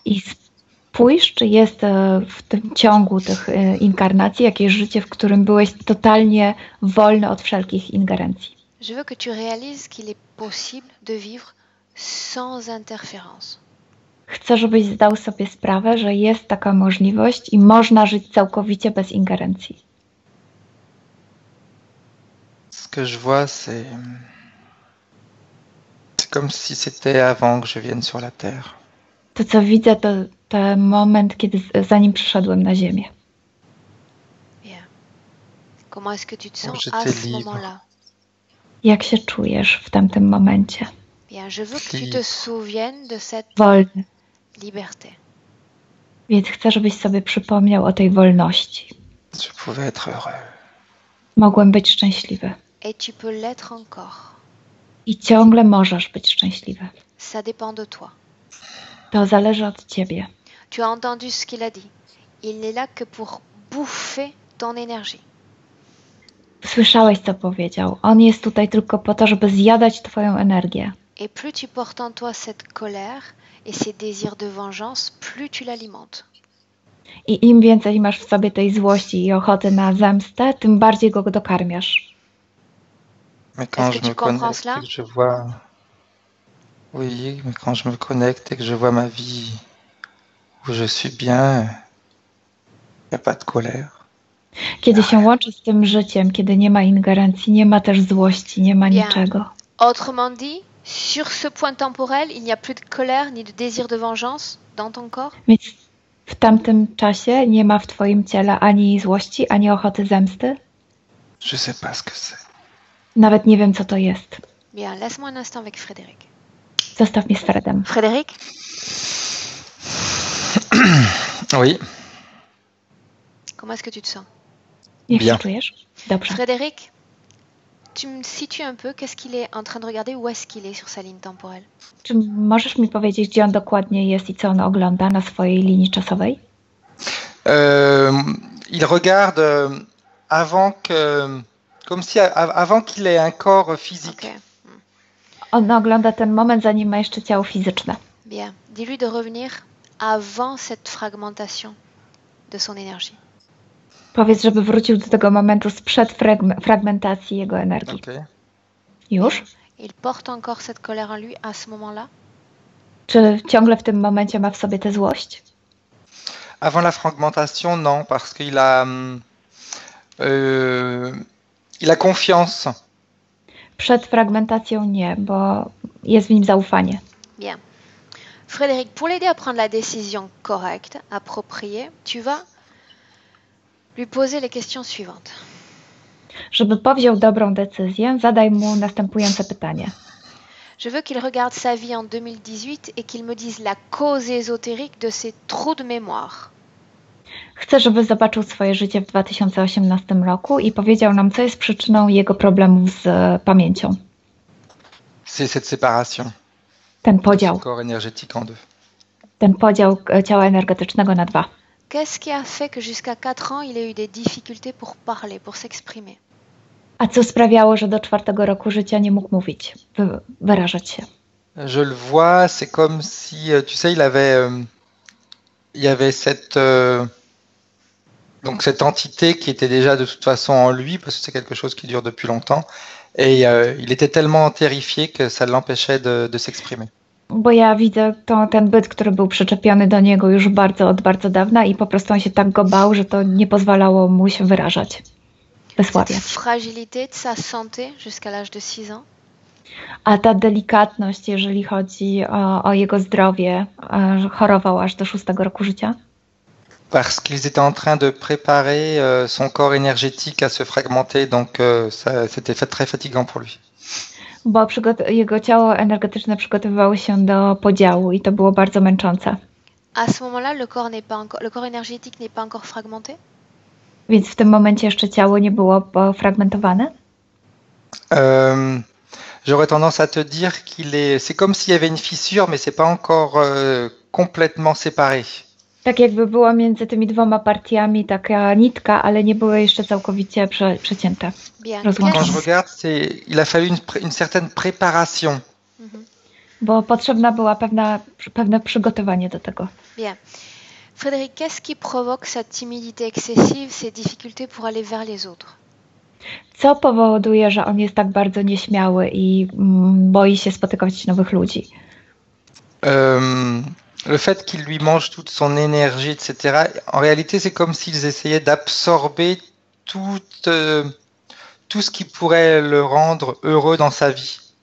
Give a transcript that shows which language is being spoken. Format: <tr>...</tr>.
<pl>I spójrz, czy jest w tym ciągu tych inkarnacji jakieś życie, w którym byłeś totalnie wolny od wszelkich ingerencji.</pl> <fr>Je veux que tu réalises qu'il est possible de vivre sans interférence.</fr> <pl>Chcę, żebyś zdał sobie sprawę, że jest taka możliwość i można żyć całkowicie bez ingerencji.</pl> <fr>Ce que je vois, c'est comme si c'était avant que je vienne sur la terre.</fr> <pl>To co widzę, to ten moment, kiedy zanim przyszedłem na ziemię.</pl> <en>Yeah.</en> <fr>Comment est-ce que tu te sens à ce moment-là?</fr> <pl>Jak się czujesz w tamtym momencie?</pl> <fr>Bien, je veux que tu te souviennes de cette</fr> <pl>wolny.</pl> <fr>Liberté.</fr> <pl>Więc chcę, żebyś sobie przypomniał o tej wolności.</pl> <fr>Je pouvais être heureux.</fr> <pl>Mogłem być szczęśliwy.</pl> <fr>Et tu peux l'être encore.</fr> <pl>I ciągle możesz być szczęśliwy.</pl> <fr>Ça dépend de toi.</fr> <pl>To zależy od ciebie.</pl> <fr>Tu as entendu ce qu'il a dit. Il n'est là que pour bouffer ton énergie.</fr> <pl>Słyszałeś, co powiedział. On jest tutaj tylko po to, żeby zjadać twoją energię.</pl> <fr>Et plus tu portes en toi cette colère et ces désirs de vengeance, plus tu l'alimentes.</fr> <pl>I im więcej masz w sobie tej złości i ochoty na zemstę, tym bardziej go dokarmiasz.</pl> <fr>Mais quand je me connecte et que je vois, oui, mais quand je me connecte et que je vois ma vie où je suis bien, il n'y a pas de colère.</fr> <pl>Kiedy się łączy z tym życiem, kiedy nie ma ingerencji, nie ma też złości, nie ma niczego.</pl> <fr>Autrement dit, sur ce point temporel, il n'y a plus de colère ni de désir de vengeance dans ton corps.</fr> <pl>Więc w tamtym czasie nie ma w twoim ciele ani złości, ani ochoty zemsty?</pl> <fr>Je sais pas ce que c'est.</fr> <pl>Nawet nie wiem, co to jest.</pl> <fr>Bien, laisse-moi un instant avec Frédéric.</fr> <pl>Zostaw mnie z Fredem.</pl> <fr>Frédéric? Oui. Comment est-ce que tu te sens? Bien.</fr> <pl>Czujesz? Dobrze.</pl> <fr>Frédéric, tu me situes un peu, qu'est-ce qu'il est en train de regarder, où est-ce qu'il est sur sa ligne temporelle?</fr> <pl>Czy możesz mi powiedzieć, gdzie on dokładnie jest i co on ogląda na swojej linii czasowej?</pl> <fr>Il regarde avant que... Comme si avant qu'il ait un corps physique.</fr> <pl>On ogląda ten moment, zanim ma jeszcze ciało fizyczne.</pl> <fr>Bien. Dis-lui de revenir avant cette fragmentation de son énergie.</fr> <pl>Powiedz, żeby wrócił do tego momentu sprzed fragmentacji jego energii.</pl> <en>Okay.</en> <pl>Już?</pl> <fr>Il porte encore cette colère en lui à ce moment-là?</fr> <pl>Czy ciągle w tym momencie ma w sobie tę złość?</pl> <fr>Avant la fragmentation, non, parce qu'il a... Il a confiance.</fr> <pl>Przed fragmentacją nie, bo jest w nim zaufanie.</pl> <fr>Bien. Frédéric, pour l'aider à prendre la décision correcte, appropriée, tu vas lui poser les questions suivantes.</fr> <pl>Żeby powziął dobrą decyzję, zadaj mu następujące pytanie.</pl> <fr>Je veux qu'il regarde sa vie en 2018 et qu'il me dise la cause ésotérique de ses trous de mémoire.</fr> <pl>Chcę, żeby zobaczył swoje życie w 2018 roku i powiedział nam, co jest przyczyną jego problemów z pamięcią.</pl> <fr>C'est cette séparation.</fr> <pl>Ten podział.</pl> <fr>Corps énergétique en deux.</fr> <pl>Ten podział ciała energetycznego na dwa.</pl> <fr>Qu'est-ce qui a fait que jusqu'à 4 ans, il a eu des difficultés pour parler, pour s'exprimer?</fr> <pl>A co sprawiało, że do czwartego roku życia nie mógł mówić, wyrażać się?</pl> <fr>Je le vois, c'est comme si, tu sais, il avait cette, donc cette entité qui était déjà de toute façon en lui, parce que c'est quelque chose qui dure depuis longtemps, et il était tellement terrifié que ça l'empêchait de s'exprimer.</fr> <pl>Bo ja widzę to, ten byt, który był przyczepiony do niego już bardzo, od bardzo dawna i po prostu on się tak go bał, że to nie pozwalało mu się wyrażać, wysławiać.</pl> <fr>Fragilité de sa santé jusqu'à l'âge de 6 ans.</fr> <pl>A ta delikatność, jeżeli chodzi o jego zdrowie, chorował aż do 6 roku życia?</pl> <fr>Parce qu'ils étaient en train de préparer son corps énergétique à se fragmenter, donc ça, c'était très fatigant pour lui.</fr> <pl>Bo jego ciało energetyczne przygotowywało się do podziału i to było bardzo męczące.</pl> <fr>À ce moment-là, le corps énergétique n'est pas encore fragmenté?</fr> <pl>Więc w tym momencie jeszcze ciało nie było fragmentowane?</pl> <fr>J'aurais tendance à te dire qu'il est. C'est comme s'il y avait une fissure, mais c'est pas encore complètement séparé.</fr> <pl>Tak jakby było między tymi dwoma partiami taka nitka, ale nie było jeszcze całkowicie przecięte.</pl> <fr>Quand je regarde, c'est, il a fallu une certaine préparation.</fr> <pl>Bo potrzebna była pewne przygotowanie do tego.</pl> <fr>Bien. Frédéric, qu'est-ce qui provoque cette timidité excessive, ces difficultés pour aller vers les autres?</fr> <pl>Co powoduje, że on jest tak bardzo nieśmiały i boi się spotykać nowych ludzi?</pl> <fr>Le fait qu'il lui mange toute son énergie, etc. En réalité, c'est comme s'ils essayaient d'absorber tout ce qui pourrait le rendre heureux dans sa vie.</fr>